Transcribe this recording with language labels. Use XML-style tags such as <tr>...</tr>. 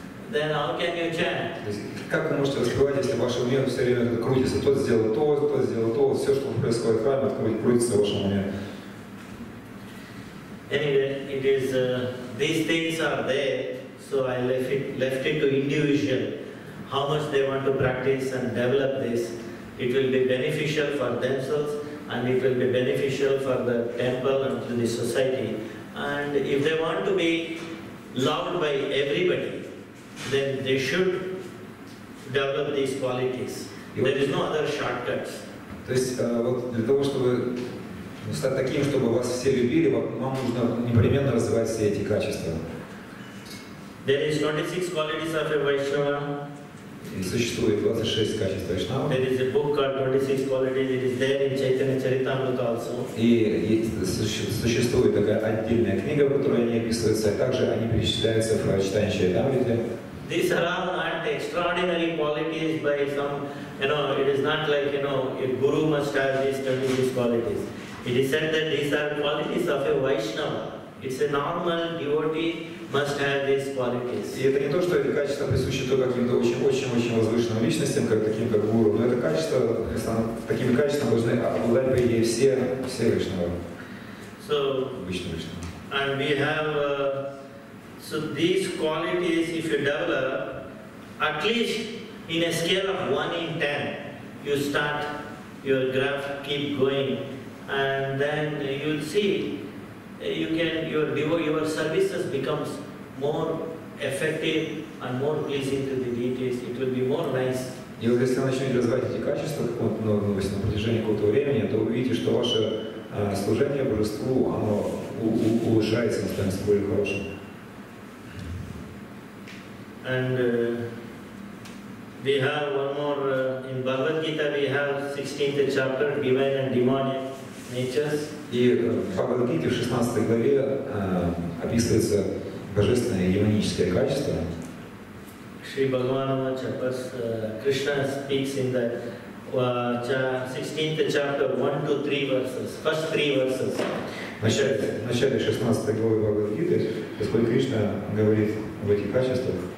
<en>Then how can you chant?</en> <ru>Как вы можете разговаривать, если ваше ум все время крутится? Тот сделал то, тот сделал то, все, что происходит в храме, откроет, крутится в вашем уме.</ru> <en>Anyway, it is these things are there, so I left it to individual. How much they want to practice and develop this, it will be beneficial for themselves and it will be beneficial for the temple and to the society. And if they want to be loved by everybody, then they should develop these qualities. There is no other shortcuts.</en> <ru>То есть вот для того, чтобы стать таким, чтобы вас все любили, вам нужно непременно развивать все эти качества.</ru> <en>There is 26 qualities of a Vaishnava.</en> <ru>И существует 26 качеств Вайшнава.</ru> <en>There is a book called 26 qualities. It is there in Chaitanya Charitamrita also.</en> <ru>И существует такая отдельная книга, в которой они описываются, а также они перечисляются в Чайтанья Чаритамрите.</ru> <en>These are all not extraordinary qualities by some, you know, it is not like, you know, a guru must have these 26 qualities. It is said that these are qualities of a Vaishnava. It's a normal devotee must have these qualities.</en> <ru>И это не то, что эти качества присущи только каким-то очень-очень-очень возвышенным личностям, как таким как гуру, но это качество, такими качествами должны обладать, по идее, все Вайшнавы.</ru> <en>So, and we have so these qualities, if you develop, at least in a scale of 1 in 10, you start your graph keep going, and then you'll see your services becomes more effective and more pleasing to the deities. It will be more nice.</en> <ru>И вот если вы начнете развивать эти качества на протяжении какого-то времени, то вы увидите, что ваше служение божеству оно улучшается, оно становится более хорошим.</ru> <en>And we have one more in Bhagavad Gita. We have 16th chapter, divine and demonic natures.</en> <ru>И в Бхагавад Гите в 16 главе описывается божественное и демоническое качество.</ru> <en>Шри Бхагаван Чапас Кришна speaks in the 16th chapter 1-3 verses. First 3 verses.</en> <ru>В начале 16 главы Бхагавад Гиты Господь Кришна говорит об этих качествах.</ru>